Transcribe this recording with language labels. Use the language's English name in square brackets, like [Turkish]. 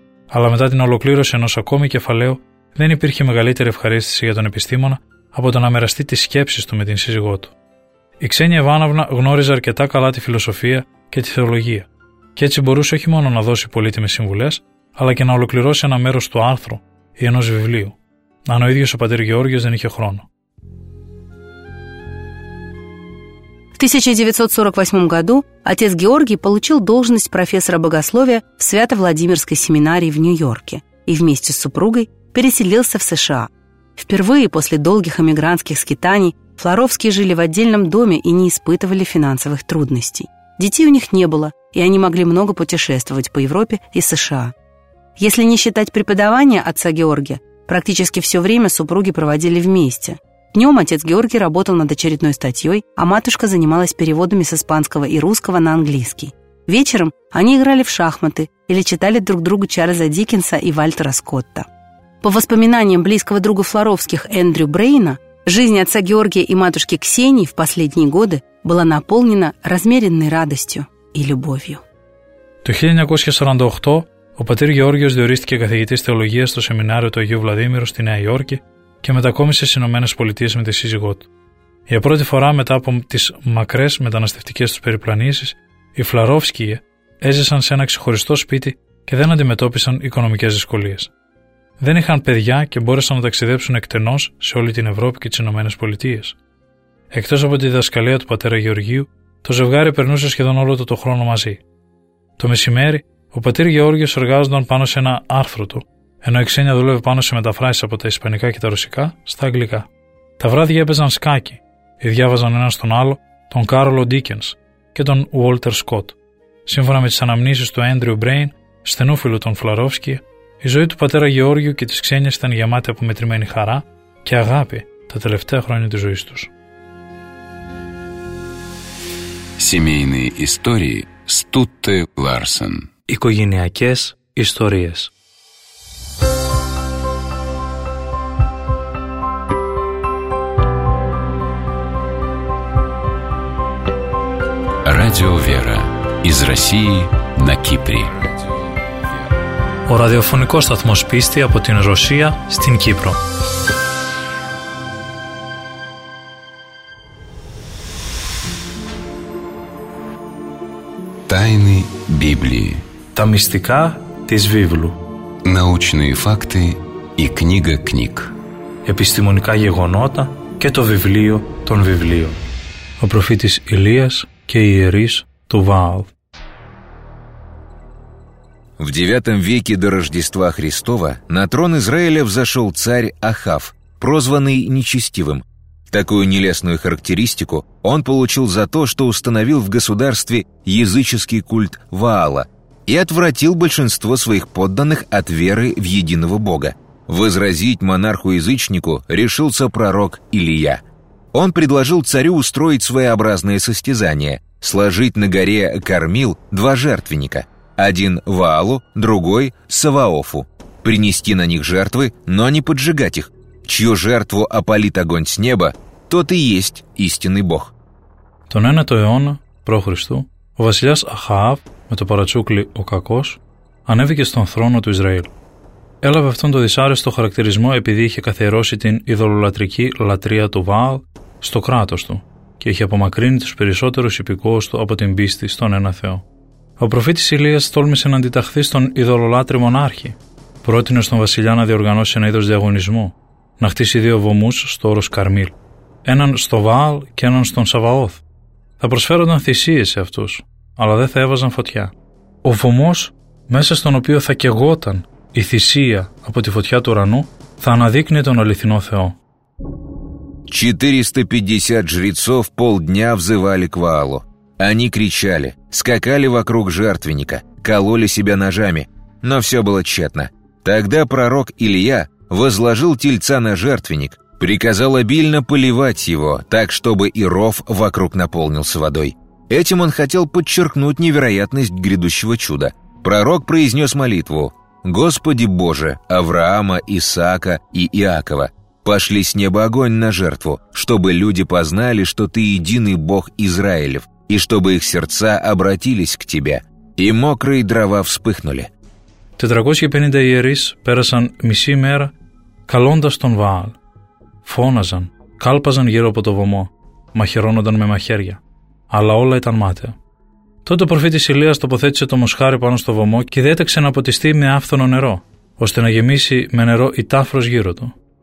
[Greek] Αλλά μετά την ολοκλήρωση ενός ακόμη κεφαλαίου, δεν υπήρχε μεγαλύτερη ευχαρίστηση για τον επιστήμονα από το να μοιραστεί τις σκέψεις του με την σύζυγό του. Η Ξένια Ιβάνοβνα γνώριζε αρκετά καλά τη φιλοσοφία και τη θεολογία. Και έτσι μπορούσε όχι μόνο να δώσει πολύτιμες συμβουλές, αλλά και να ολοκληρώσει ένα μέρος του άρθρου ή ενός βιβλίου, αν ο ίδιος ο πατήρ Γεώργιος δεν είχε χρόνο. [Russian] В 1948 году отец Георгий получил должность профессора богословия в Свято-Владимирской семинарии в Нью-Йорке и вместе с супругой переселился в США. Впервые после долгих эмигрантских скитаний Флоровские жили в отдельном доме и не испытывали финансовых трудностей. Детей у них не было, и они могли много путешествовать по Европе и США. Если не считать преподавания отца Георгия, практически все время супруги проводили вместе. Днем отец Георгий работал над очередной статьей, а матушка занималась переводами с испанского и русского на английский. Вечером они играли в шахматы или читали друг другу Чарльза Диккенса и Вальтера Скотта. По воспоминаниям близкого друга Флоровских Эндрю Брейна, жизнь отца Георгия и матушки Ксении в последние годы была наполнена размеренной радостью и любовью. [Greek] Το 1948 ο πατήρ Γεώργιος διορίστηκε καθηγητής θεολογίας στο σεμινάριο του Αγίου Βλαδίμηρου στη Νέα Υόρκη και μετακόμισε στις Ηνωμένες Πολιτείες με τη σύζυγό του. Για πρώτη φορά μετά από τις μακρές μεταναστευτικές τους περιπλανήσεις, οι Φλαρόφσκοι έζησαν σε ένα ξεχωριστό σπίτι και δεν αντιμετώπισαν οικονομικές δυσκολίες. Δεν είχαν παιδιά και μπόρεσαν να ταξιδέψουν εκτενώς σε όλη την Ευρώπη και τις Ηνωμένες Πολιτείες. Εκτός από τη διδασκαλία του πατέρα Γεωργίου, το ζευγάρι περνούσε σχεδόν όλο το χρόνο μαζί. Το μεσημέρι, ο πατήρ Γεώργιος εργάζονταν πάνω σε ένα άρθρο του, ενώ η Ξένια δούλευε πάνω σε μεταφράσεις από τα ισπανικά και τα ρωσικά στα αγγλικά. Τα βράδια έπαιζαν σκάκι ή διάβαζαν ένα τον άλλο τον Κάρολο Ντίκενς και τον Βόλτερ Σκοτ. Σύμφωνα με τις αναμνήσεις του Έντριου Μπρέιν, στενούφιλου των Φλαρόφσκι, η ζωή του πατέρα Γεώργιου και της Ξένιας ήταν γεμάτη από μετρημένη χαρά και αγάπη τα τελευταία χρόνια της ζωής τους. [Russian] Семейные истории Стутте Ларсен. [Greek] Οικογενειακές ιστορίες. [Russian] Радио Вера. Из России на Кипре. [Greek] Ο ραδιοφωνικός σταθμός πίστη από την Ρωσία στην Κύπρο. [Russian] Тайны Библии. [Greek] Τα μυστικά της Βίβλου. [Russian] Научные факты и книга книг. [Greek] Επιστημονικά γεγονότα και το βιβλίο των βιβλίων. Ο προφήτης Ηλίας και οι ιερείς του Βααλ. [Russian] В IX веке до Рождества Христова на трон Израиля взошел царь Ахав, прозванный нечестивым. Такую нелестную характеристику он получил за то, что установил в государстве языческий культ Ваала и отвратил большинство своих подданных от веры в единого Бога. Возразить монарху-язычнику решился пророк Илия. Он предложил царю устроить своеобразное состязание, сложить на горе Кармил два жертвенника, один Ваалу, другой Саваофу, принести на них жертвы, но не поджигать их. Чью жертву опалит огонь с неба, тот и есть истинный Бог. [Greek] Τον 9ο αιώνα π.Χ. ο βασιλιάς Αχαάβ με το παρατσούκλι ο Κακός ανέβηκε στον θρόνο του Ισραήλ. Έλαβε αυτόν τον δυσάρεστο χαρακτηρισμό επειδή είχε καθιερώσει την ειδωλολατρική λατρεία του Βααλ στο κράτος του και είχε απομακρύνει τους περισσότερους υπηκόους του από την πίστη στον ένα Θεό. Ο προφήτης Ηλίας τόλμησε να αντιταχθεί στον ειδωλολάτρη μονάρχη. Πρότεινε στον βασιλιά να διοργανώσει ένα είδος διαγωνισμού, να χτίσει δύο βωμούς στο όρος Καρμίλ, έναν στο Βααλ και έναν στον Σαβαόθ. Θα προσφέρονταν θυσίες σε αυτούς, αλλά δεν θα έβαζαν φωτιά. Ο βωμός μέσα στον οποίο θα κεγόταν η θυσία από τη φωτιά του ουρανού θα αναδείκνει τον αληθινό Θεό. [Russian] 450 жрецов полдня взывали к Ваалу. Они кричали, скакали вокруг жертвенника, кололи себя ножами, но все было тщетно. Тогда пророк Илия возложил тельца на жертвенник, приказал обильно поливать его, так чтобы и ров вокруг наполнился водой. Этим он хотел подчеркнуть невероятность грядущего чуда. Пророк произнес молитву: «Господи Боже, Авраама, Исаака и Иакова, пошли с неба огонь на жертву, чтобы люди познали, что Ты единый Бог Израилев, и чтобы их сердца обратились к Тебе». И мокрые дрова вспыхнули. [Greek] 450 ιερείς πέρασαν μισή μέρα καλώντας τον Βααλ. Φώναζαν, κάλπαζαν γύρω από το βωμό, μαχαιρώνονταν με μαχαίρια. Αλλά όλα ήταν μάταια. Τότε ο προφήτης Ηλίας τοποθέτησε το μοσχάρι πάνω στο βωμό και διέταξε να ποτιστεί με άφθονο νερό, ώστε να γεμίσει με νερό η τάφρος γύρω του.